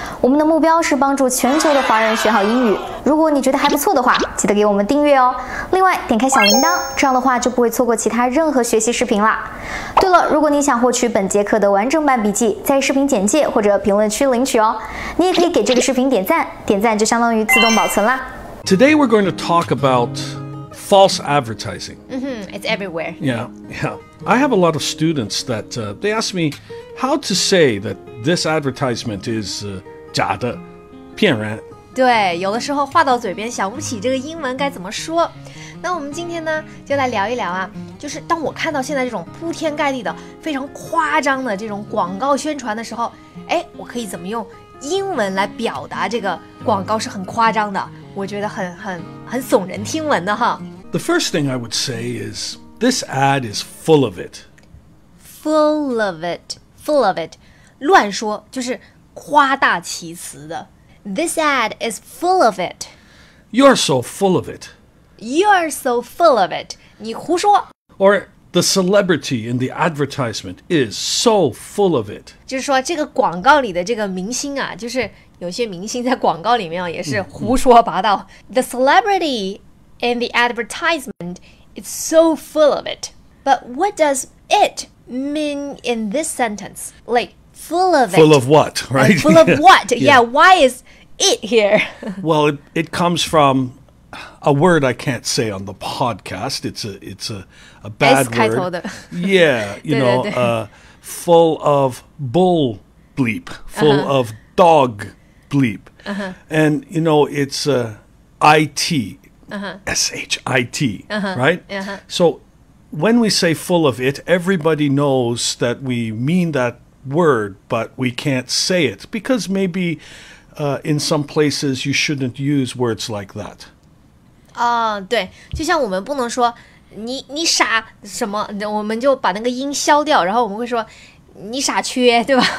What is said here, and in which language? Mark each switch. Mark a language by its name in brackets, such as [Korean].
[Chinese] 我们的目标是帮助全球的华人学好英语。如果你觉得还不错的话，记得给我们订阅哦。另外，点开小铃铛，这样的话就不会错过其他任何学习视频啦。对了，如果你想获取本节课的完整版笔记，在视频简介或者评论区领取哦。你也可以给这个视频点赞，点赞就相当于自动保存啦。 [English] Today we're going to talk about false advertising. Mm-hmm, it's everywhere. Yeah, yeah. I have a lot of students that, they ask me how to say that this advertisement is [Chinese] 假的，骗人。对，有的时候话到嘴边想不起这个英文该怎么说。那我们今天呢，就来聊一聊啊，就是当我看到现在这种铺天盖地的，非常夸张的这种广告宣传的时候，哎，我可以怎么用英文来表达这个广告是很夸张的，我觉得很耸人听闻的哈。 [English] The first thing I would say is, this ad is full of it. Full of it, full of it. [Chinese] 乱说就是夸大其词的。 [English] This ad is full of it. You're so full of it. You're so full of it. [Chinese] 你胡说。 [English] Or the celebrity in the advertisement is so full of it. [Chinese] 就是说这个广告里的这个明星啊，就是有些明星在广告里面也是胡说八道。 [English] The celebrity... And the advertisement is so full of it. But what does it mean in this sentence? Like, full of it. Full of what, right? Full of what? Yeah, why is it here? Well, it comes from a word I can't say on the podcast. It's a bad word. [Chinese] S 开头的。 [English] Yeah, you know, full of bull bleep. Full of dog bleep. And, you know, it's IT. SHIT, right? So when we say full of it, everybody knows that we mean that word, but we can't say it because maybe in some places you shouldn't use words like that. [Chinese] 对，就像我们不能说你傻什么，我们就把那个音消掉，然后我们会说你傻缺，对吧？